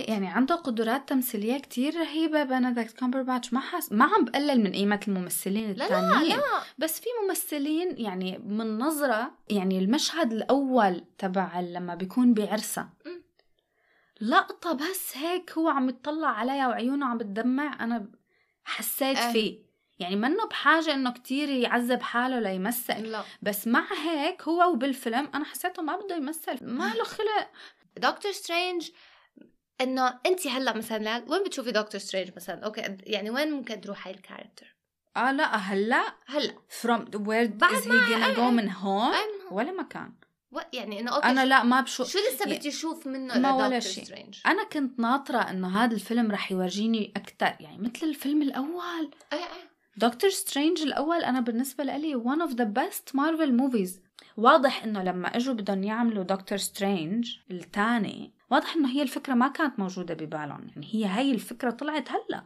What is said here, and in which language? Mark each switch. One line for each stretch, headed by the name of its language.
Arabic: يعني عنده قدرات تمثيلية كتير رهيبة بنديكت كومبرباتش ما عم بقلل من قيمة الممثلين التانيين بس في ممثلين يعني من نظرة يعني المشهد الأول تبع لما بيكون بعرسة لقطة بس هيك هو عم يتطلع عليا وعيونه عم تدمع أنا حسيت فيه يعني منه بحاجة انه كتير يعذب حاله ليمثل لا. بس مع هيك هو وبالفيلم انا حسيته ما بده يمثل ما له خلق دكتور سترينج انه انت هلا مثلا وين بتشوفي دكتور سترينج مثلا اوكي يعني وين ممكن تروح هاي الكاركتر لا هلا هلا
English: from where is he gonna go
Arabic: من هون ولا مكان يعني انه اوكي انا لا ما بشوف شو لسه بتشوف منه دكتور سترينج انا كنت ناطره انه هذا الفيلم رح يورجيني اكثر يعني مثل الفيلم الاول دكتور سترينج الاول انا بالنسبه لي
English: one of the best marvel movies
Arabic: واضح انه لما اجوا بدهم يعملوا دكتور سترينج الثاني واضح انه هي الفكره ما كانت موجوده ببالهم يعني هي الفكره طلعت هلا